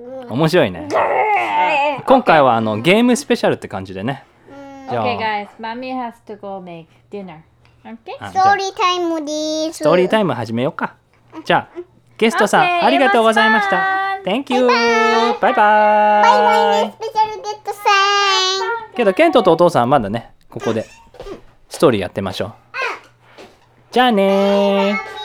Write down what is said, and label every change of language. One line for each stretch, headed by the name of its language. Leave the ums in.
Japanese: 面白いね今回はあのゲームスペシャルって感じでね、まあ、じゃあ o、okay,
English: guys mommy has to go make dinner Okay?
Japanese: ストーリータイムでストーリータイム始めようか。 じゃあ、ゲストさん、okay. ありがとうございました。
English: Bye. Thank you!
Japanese: バイバイバイバイスペシャルゲットさん、Bye. けど、ケントとお父さんまだね、ここでストーリーやってましょう。うん、じゃあね